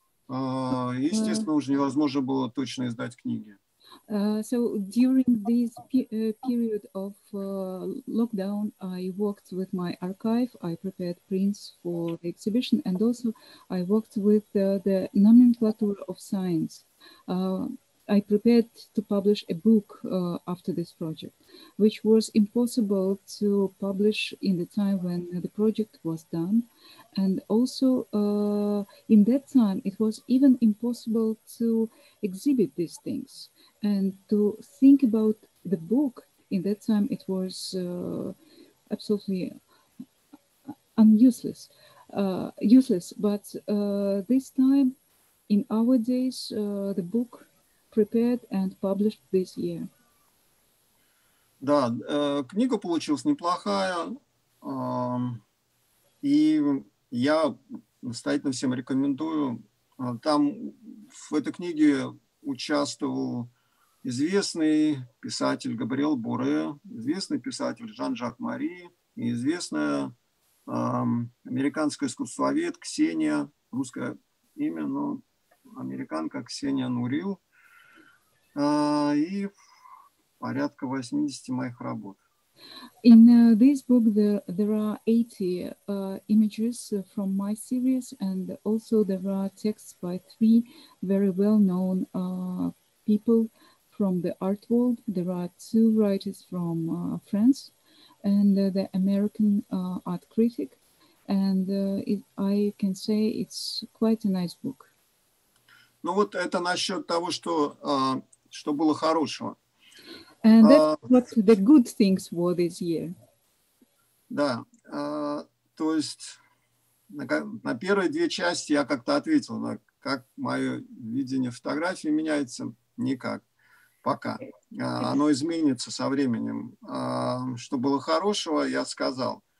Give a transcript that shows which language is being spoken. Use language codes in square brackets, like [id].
[ru] Естественно, уже невозможно было точно издать книги. [en] So during this period of lockdown, I worked with my archive. I prepared prints for the exhibition, and also I worked with the nomenclature of science. I prepared to publish a book after this project, which was impossible to publish in the time when the project was done. And also in that time, it was even impossible to exhibit these things. And to think about the book in that time, it was absolutely useless. But this time, in our days, the book prepared and published this year. [ru] Да, книга получилась неплохая, и я настоятельно всем рекомендую. Там в этой книге участвовал известный писатель Габриэль Боре, известный писатель Жан-Жак Мари, известная американская искусствовед Ксения, русское имя, но американка Ксения Нурил, и порядка 80 моих работ. [en] In this book there are 80 images from my series, and also there are texts by three very well-known people from the art world. There are two writers from France and the American art critic, and I can say it's quite a nice book. [ru] Ну вот это насчет того, что что было хорошего. [en] And that's what the good things were this year. [ru] Да, то есть на первые две части я как-то ответил, да, как мое видение фотографии меняется, никак. Пока. Оно изменится со временем. Что было хорошего, я сказал.